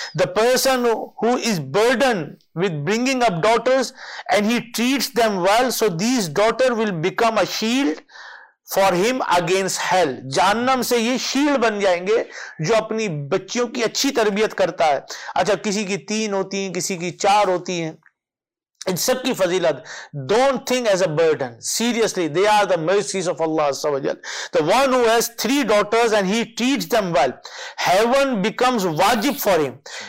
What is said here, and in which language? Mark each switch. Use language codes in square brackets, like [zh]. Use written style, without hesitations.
[en] The person who is burdened with bringing up daughters and he treats them well, so these daughter will become a shield for him against hell. [ur] جہنم سے یہ shield بن جائیں گے جو اپنی بچیوں کی اچھی تربیت کرتا ہے. اچھا کسی کی تین ہوتی ہیں, کسی کی چار ہوتی ہیں, ان سب کی فضیلت. [en] Don't think as a burden. Seriously, they are the mercies of Allah Azza wa Jal. The one who has three daughters and he treats them well, heaven becomes wajib for him.